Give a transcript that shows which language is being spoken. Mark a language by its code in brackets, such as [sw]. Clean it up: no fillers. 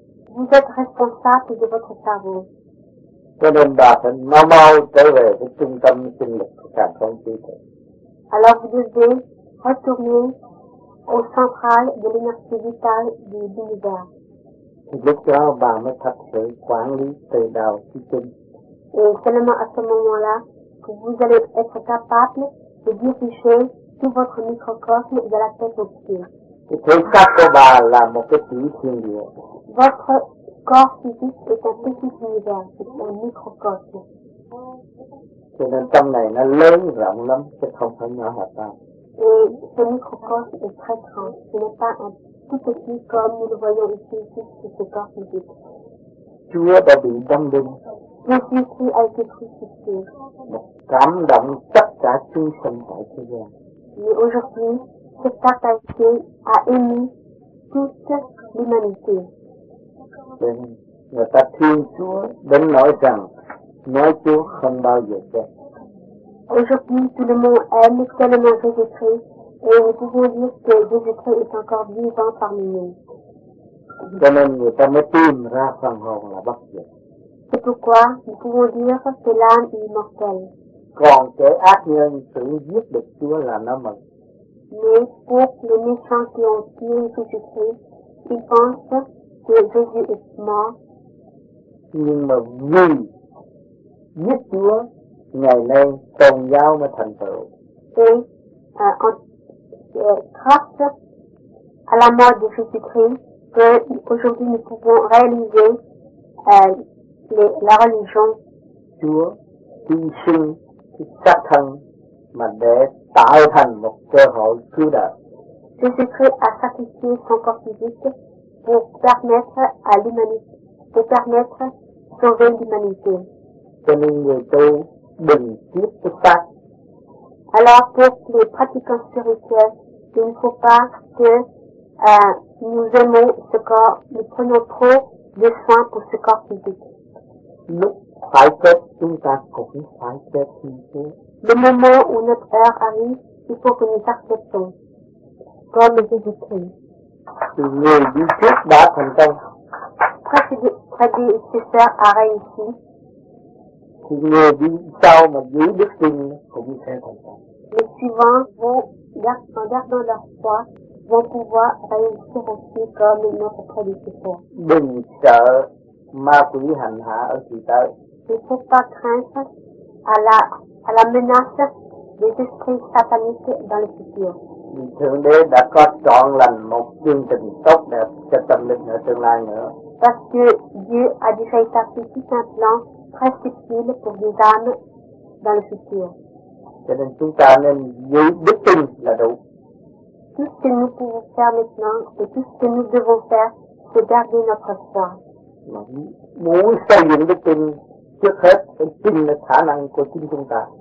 [fr] Vous êtes responsable de votre cerveau. [vi] Cho nên bà phải mau mau trở về với trung tâm sinh lực của cảm thông trí tuệ. [fr] Alors vous devez retourner au central de l'énergie vitale du univers. [vi] Thì lúc đó bà mới thật sự quản lý từ đầu chí chung. [fr] Et seulement à ce moment-là que vous allez être capable de diriger tout votre microcosme de la tête aux pieds. [vi] Thể xác của bà là một cái tiểu thiên địa. [fr] Votre corps physique est un petit univers, c'est un microcosme. [vi] Cho nên trong này nó lớn rộng lắm, chứ không phải nhỏ hẹp đâu. [fr] Et ce microcosme est très grand, ce n'est pas un tout petit comme nous le voyons ici, juste ce corps physique. [vi] Chúa đã bị đâm đinh. [fr] Jésus-Christ a été crucifié. [vi] Một cảm động tất cả chúng sinh tại thế gian. [fr] Et aujourd'hui, cette partage a ému toute l'humanité. [vi] Người ta thương Chúa đến nỗi rằng nói Chúa không bao giờ chết. [fr] Aujourd'hui, tout le monde aime tellement Jésus-Christ et nous pouvons dire que Jésus-Christ est encore vivant parmi nous. [vi] Cho nên người ta mới tìm ra phần hồn là bất diệt. [fr] C'est pourquoi nous pouvons dire que l'âme est immortelle. [vi] Còn kẻ ác nhân tưởng giết được Chúa là nó mừng. [fr] Mais pour les méchants qui ont tué Jésus-Christ, ils pensent que Jésus est mort. [vi] Nhưng mà vì giết Chúa, ngày nay tôn giáo mới thành tựu. [fr] Grâce à la mort de Jésus-Christ, que aujourd'hui nous pouvons réaliser la religion. [vi] Chúa hy sinh cái xác thân mà để tạo thành một cơ hội cứu đời. [fr] Jésus-Christ a sacrifié son corps physique pour permettre à l'humanité, pour permettre sauver l'humanité. [vi] Cho nên người tu đừng tiếp cái xác. [fr] Alors pour les pratiquants spirituels, il ne faut pas que nous aimons ce corps, nous prenons trop de soins pour ce corps physique. [vi] Phải chết, chúng ta cũng phải chết như thế. [fr] Le moment où notre heure arrive, il faut que nous acceptons. Comme Jésus-Christ. [vi] Thì người đi trước đã thành công. [fr] Prédécesseur a réussi. [vi] Thì người đi sau mà giữ đức tin cũng sẽ thành công. [fr] Les suivants vont, en gardant leur foi, vont pouvoir réussir aussi comme notre prédécesseur. [vi] Đừng sợ ma quỷ hành hạ ở thị tới. [fr] Il ne faut pas craindre à la menace des esprits sataniques dans le futur. [vi] Thượng Đế đã có trọn lành một chương trình tốt đẹp cho tâm linh ở tương lai nữa. [fr] Parce que Dieu a déjà établi tout un plan très subtil pour les âmes dans le futur. [vi] Cho nên chúng ta nên giữ đức tin là đủ. [fr] Tout ce que nous pouvons faire maintenant et tout ce que nous devons faire, c'est garder notre foi. [vi] Muốn xây dựng đức tin, trước hết phải tin là khả năng của chính chúng ta.